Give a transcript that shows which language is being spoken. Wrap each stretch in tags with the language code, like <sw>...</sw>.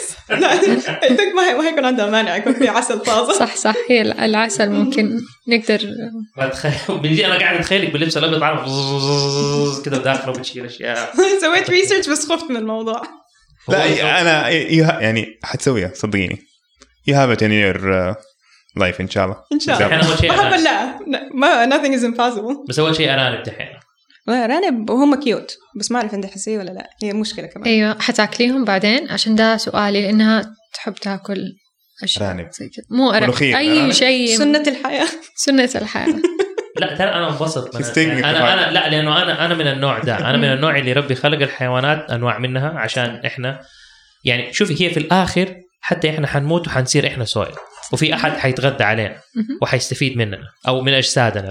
<ar>لا أنتك ما هيكون عندها مانع يكون في عسل طازة. صح صح هي العسل ممكن نقدر. بدي أنا قاعد أتخيلك باللبس الأبيض عارف كده داخله بتشيل أشياء. سويت ريسيرش بس خفت من الموضوع. لا أنا يعني حتسويها صدقيني.</ar> <en>You have it in your life</en> <ar>إن شاء الله. إن شاء الله. أحب لا ما</ar> <en>nothing is impossible.</en> <ar>بس أول شيء أرانب دحين. رانب وهم كيوت بس ما أعرف عندها حساسية ولا لا هي مشكلة كمان. أيوة حتاكليهم بعدين عشان ده سؤالي لأنها تحب تأكل أشياء رانب مو أرانب أي شيء سنة الحياة سنة الحياة. لا ترى أنا انبسط أنا لا لأنه أنا من النوع ده أنا من النوع اللي ربي خلق الحيوانات أنواع منها عشان إحنا يعني شوفي هي في الآخر حتى إحنا حنموت وحنصير إحنا سويل وفي أحد حيتغدى علينا وحيستفيد مننا أو من أجسادنا</ar>